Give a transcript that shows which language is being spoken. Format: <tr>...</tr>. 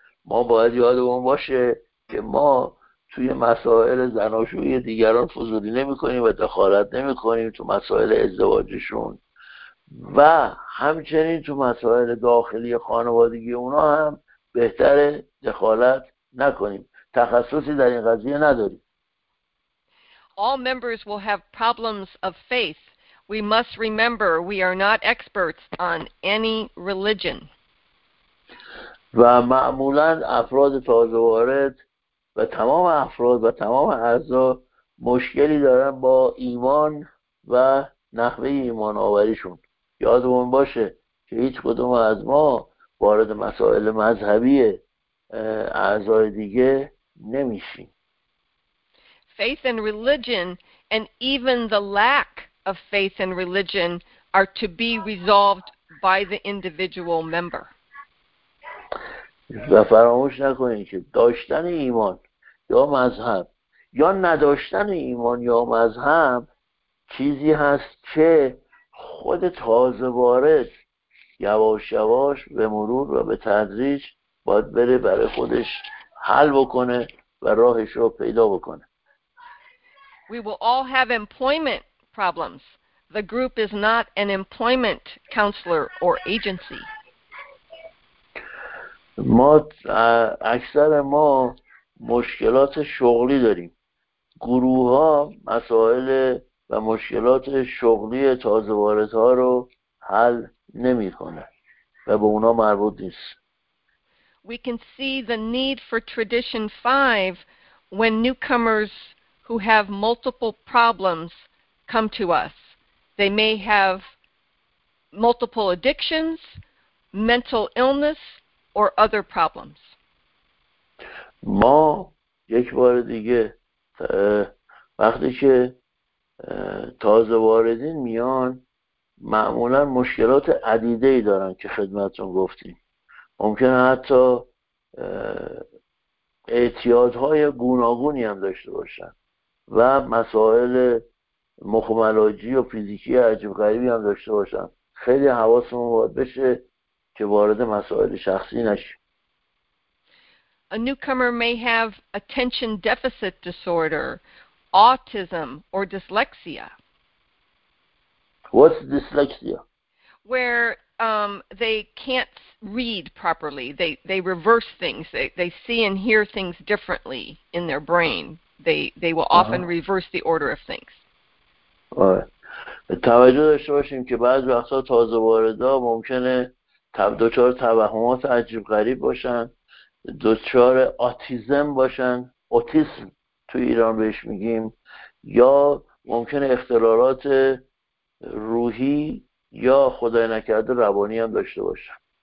<fa>ما باید یادمون باشه که ما توی مسائل زناشویی دیگران فضولی نمی کنیم و دخالت نمی کنیم تو مسائل ازدواجشون و همچنین تو مسائل داخلی خانوادگی اونا هم بهتره دخالت نکنیم. تخصصی در این قضیه نداریم.</fa> <en>All members will have problems of faith. We must remember we are not experts on any religion.</en> <fa>و معمولا افراد تازه وارد و تمام افراد و تمام اعضا مشکلی دارن با ایمان و نحوه ایمان آوریشون. یادمون باشه که هیچ کدوم از ما وارد مسائل مذهبی اعضای دیگه نمیشیم.</fa> <en>Faith and religion and even the lack of faith and religion are to be resolved by the individual member.</en> <fa>و فراموش نکنید که داشتن ایمان یا مذهب یا نداشتن ایمان یا مذهب چیزی هست که خود تازه وارد یواش یواش به مرور و به تدریج باید بره برای خودش حل بکنه و راهش رو پیدا بکنه.</fa> <en>We will all have employment problems. The group is not an employment counselor or agency.</en> <fa>ما اکثر ما مشکلات شغلی داریم. گروه ها مسائل و مشکلات شغلی تازه واردها رو حل نمی کنه و به اونا مربوط نیست.</fa> <en>We can see the need for tradition 5 when newcomers who have multiple problems come to us. They may have multiple addictions, mental illness, or other problems.</en> <fa>ما یک بار دیگه وقتی که تازه واردین میان معمولا مشکلات عدیده‌ای دارن که خدمتتون گفتیم. ممکنه حتی اعتیادهای گوناگونی هم داشته باشن و مسائل مخملاجی و فیزیکی عجیب غریبی هم داشته باشن. خیلی حواسمون باید بشه که وارد مسائل شخصی نشیم.</fa> <en>A newcomer may have attention deficit disorder autism or dyslexia. What's dyslexia? Where they can't read properly. They reverse things. They see and hear things differently in their brain. They will often reverse the order of things.</en> <fa>توجه داشته باشیم که بعض وقتا تازه واردا ممکنه دچار توهمات عجیب غریب باشن، دچار آتیزم باشن، اوتیسم تو ایران بهش میگیم، یا ممکنه اختلالات روحی یا خدای نکرده روانی هم داشته باشن.</fa>